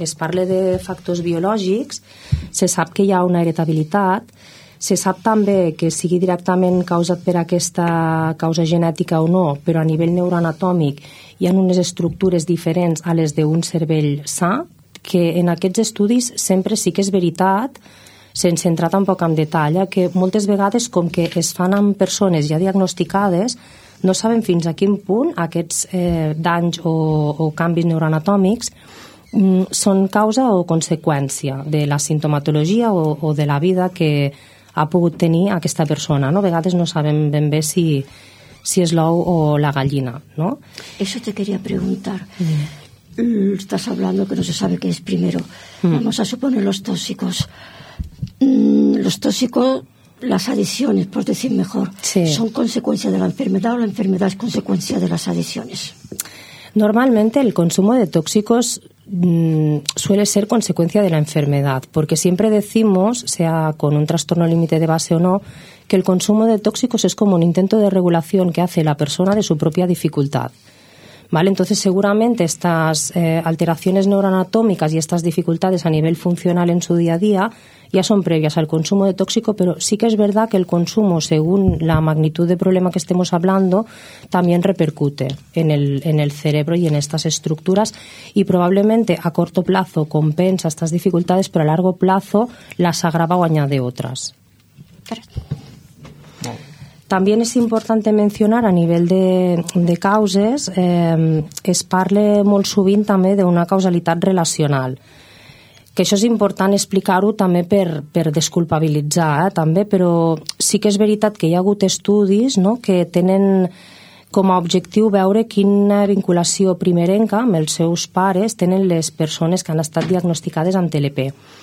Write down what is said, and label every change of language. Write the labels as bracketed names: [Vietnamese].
[Catalan] Es parla de factors biològics, se sap que hi ha una heretabilitat, se sap també que sigui directament causat per aquesta causa genètica o no, però a nivell neuroanatòmic hi ha unes estructures diferents a les d'un cervell sa, que en aquests estudis sempre sí que és veritat, sense entrar tampoc en detall, que moltes vegades, com que es fan amb persones ja diagnosticades, no sabem fins a quin punt aquests danys o canvis neuroanatòmics són causa o conseqüència de la sintomatologia o de la vida que ha pogut tenir aquesta persona, no? A vegades no sabem ben bé si és l'ou o la gallina, no? [Spanish] Eso te quería preguntar. Estás hablando que no se sabe qué es primero. Vamos a suponer los tóxicos. Los tóxicos, las adicciones, por decir mejor, sí, ¿son consecuencia de la enfermedad o la enfermedad es consecuencia de las adicciones? Normalmente el consumo de tóxicos suele ser consecuencia de la enfermedad, porque siempre decimos, sea con un trastorno límite de base o no, que el consumo de tóxicos es como un intento de regulación que hace la persona de su propia dificultad, ¿vale? Entonces, seguramente estas alteraciones neuroanatómicas y estas dificultades a nivel funcional en su día a día ya son previas al consumo de tóxico, pero sí que es verdad que el consumo, según la magnitud de problema que estemos hablando, también repercute en el cerebro y en estas estructuras, y probablemente a corto plazo compensa estas dificultades, pero a largo plazo las agrava o añade otras. También es importante mencionar a nivel de [Catalan] causes, es parle molt sovint també d'una causalitat relacional, que això és important explicar-ho també per desculpabilitzar, també, però sí que és veritat que hi ha hagut estudis, no, que tenen com a objectiu veure quina vinculació primerenca amb els seus pares tenen les persones que han estat diagnosticades amb TLP.